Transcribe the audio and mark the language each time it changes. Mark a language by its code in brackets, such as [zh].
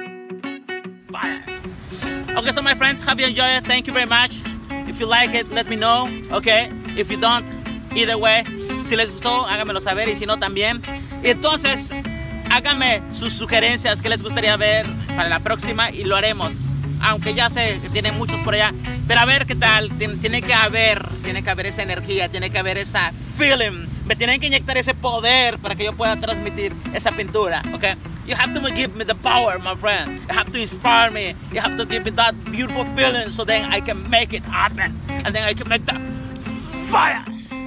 [en] Okay, so my friends, have you enjoyed it? Thank you very much. If you like it, let me know, okay? [es] If you don't, either way, si les gustó, háganmelo saber, y si no, también. Y entonces, háganme sus sugerencias que les gustaría ver para la próxima y lo haremos. Aunque ya sé que tiene muchos por allá, pero a ver qué tal, tiene que haber esa energía, tiene que haber esa feeling. Me tienen que inyectar ese poder para que yo pueda transmitir esa pintura, okay? [en] You have to give me the power, my friend. You have to inspire me. You have to give me that beautiful feeling so then I can make it happen. And then I can make the fire.